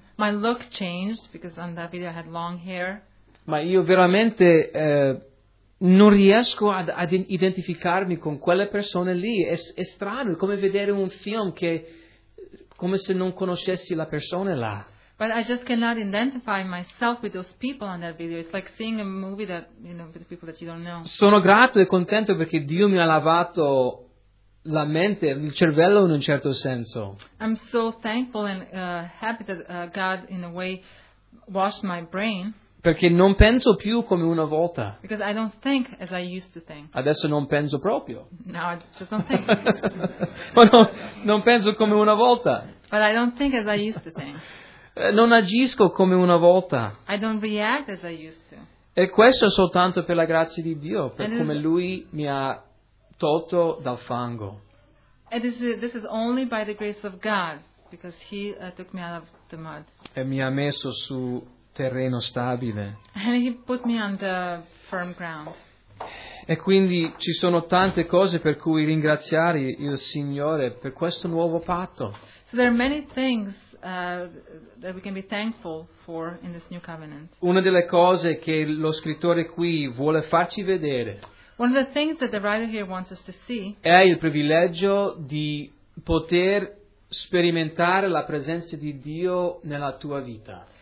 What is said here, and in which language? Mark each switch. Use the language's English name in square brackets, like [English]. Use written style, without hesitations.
[English] My look changed because on that video I had long hair. [Italian] Ma io veramente non riesco ad identificarmi con quelle persone lì. È strano, è come vedere un film che come se non conoscessi la persona là. [English] But I just cannot identify myself with those people on that video. It's like seeing a movie that, you know, with people that you don't know. [Italian] Sono grato e contento perché Dio mi ha lavato la mente, il cervello in un certo senso. [English] I'm so thankful and happy that God in a way washed my brain. [Italian] Perché non penso più come una volta. [English] Because I don't think as I used to think. [Italian] Adesso non penso proprio. [English] No, I just don't think. [Italian] Ma non penso come una volta. [English] But I don't think as I used to think. [Italian] Non agisco come una volta. [English] I don't react as I used to. [Italian] E questo soltanto per la grazia di Dio, per come Lui mi ha tolto dal fango. [English] And this is only by the grace of God, because He took me out of the mud. [Italian] E mi ha messo su terreno stabile. [English] And He put me on the firm ground. [Italian] E quindi ci sono tante cose per cui ringraziare il Signore per questo nuovo patto. [English] So there are many things that we can be thankful for in this new covenant. [Italian] Una delle cose che lo scrittore qui vuole farci vedere. [English] One of the things that the writer here wants us to see. [Italian] È il privilegio di poter sperimentare la presenza di Dio nella tua vita.